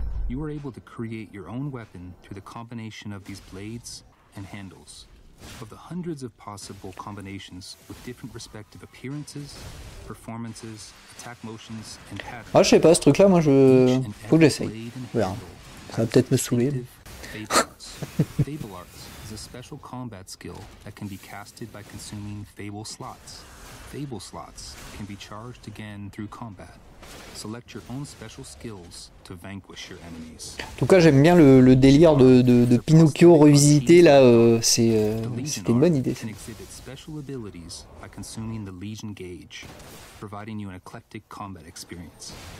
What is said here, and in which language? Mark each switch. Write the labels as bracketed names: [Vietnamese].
[English] You are able to create your own weapon through the combination of these blades and handles. Of the hundreds of possible combinations with different respective appearances, performances, attack motions and patterns. [French] Ah, je sais pas ce truc là, moi je faut que j'essaye. Voilà. Ça va peut-être me saouler. [English] Fable arts is a special combat skill that can be casted by consuming fable slots. Fable slots can be charged again through combat. Select your own special skills to vanquish your enemies. [French] En tout cas, j'aime bien le délire de Pinocchio revisité là, c'était une bonne idée. [English] Can exhibit special abilities by consuming the Legion gauge, providing you an eclectic combat experience.